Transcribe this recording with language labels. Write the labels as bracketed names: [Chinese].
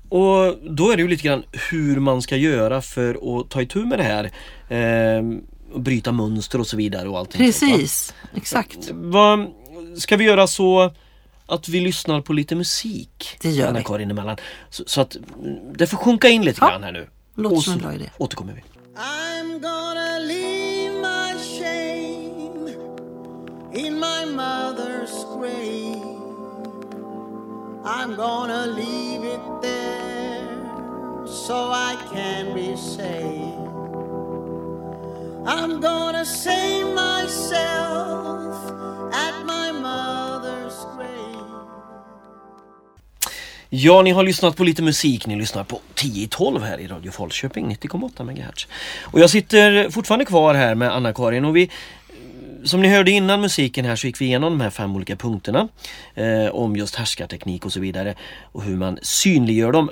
[Swedish] Och då är det ju lite grann hur man ska göra för att ta itu med det här. Och bryta mönster och så vidare och allting. Precis, sånt, va? Exakt. Vad ska vi göra så... att vi lyssnar på lite musik. Det gör Anna vi. Karin emellan. Så att det får sjunka in lite grann här nu. Låter som en bra idé. Återkommer vi. [English] I'm gonna leave my shame in my mother's grave. I'm gonna leave it there so I can be saved. I'm gonna save myself at my mother's grave. [Swedish] Ja, ni har lyssnat på lite musik. Ni lyssnar på 10:12 här i Radio Falköping, 90,8 MHz. Och jag sitter fortfarande kvar här med Anna-Karin. Och vi, som ni hörde innan musiken här, så gick vi igenom de här fem olika punkterna. Om just härskarteknik och så vidare. Och hur man synliggör dem.